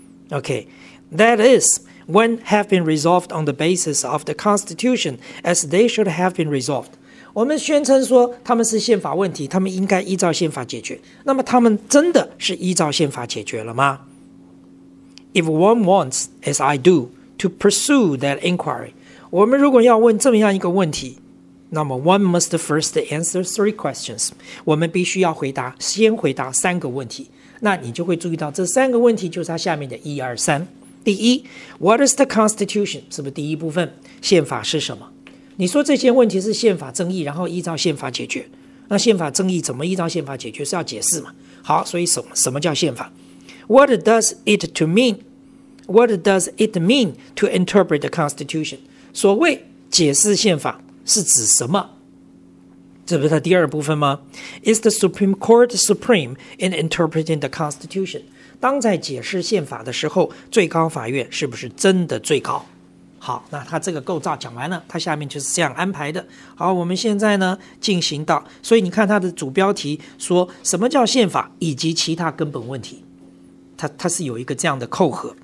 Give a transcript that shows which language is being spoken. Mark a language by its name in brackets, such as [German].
[English] OK， that is when have been resolved on the basis of the constitution as they should have been resolved。 [Chinese] 我们宣称说他们是宪法问题，他们应该依照宪法解决。那么他们真的是依照宪法解决了吗？ [English] If one wants, as I do, to pursue that inquiry， [Chinese] 我们如果要问这么样一个问题，那么 [English] one must first answer three questions， [Chinese] 我们必须要回答，先回答三个问题。那你就会注意到这三个问题就是它下面的一二三。 [English] 第一， What is the constitution？ [Chinese] 是不是第一部分宪法是什么？你说这些问题是宪法争议，然后依照宪法解决，那宪法争议怎么依照宪法解决，是要解释嘛？好，所以什么叫宪法？ [English] What does it to mean? What does it mean to interpret the constitution? [Chinese] 所谓解释宪法是指什么？这不是它第二部分吗？ [English] Is the Supreme Court supreme in interpreting the constitution? [Chinese] 当在解释宪法的时候，最高法院是不是真的最高？好，那他这个构造讲完了，他下面就是这样安排的。好，我们现在呢进行到，所以你看他的主标题说什么叫宪法以及其他根本问题，他是有一个这样的扣合。